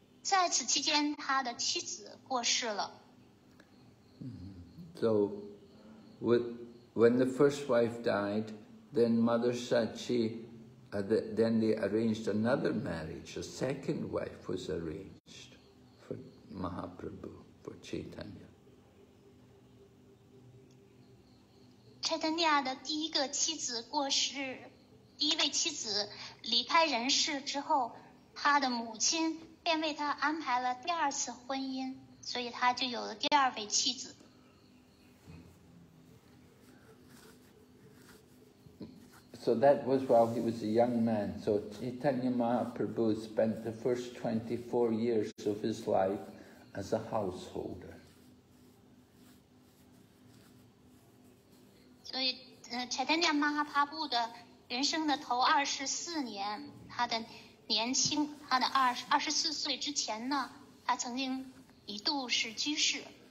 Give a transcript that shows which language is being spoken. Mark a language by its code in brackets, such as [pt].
[zh] 在此期间，他的妻子过世了。 [en] So, when the first wife died, then Mother Sachi, then they arranged another marriage. A second wife was arranged for Mahaprabhu, for Chaitanya. [zh] Chaitanya 的第一个妻子过世，第一位妻子离开人世之后，他的母亲便为他安排了第二次婚姻，所以他就有了第二位妻子。 [en] So that was while he was a young man. So Chaitanya Mahaprabhu spent the first 24 years of his life as a householder. [zh] So Chaitanya Mahaprabhu 的人生的头24年，他的年轻，他的24岁之前呢，他曾经一度是居士。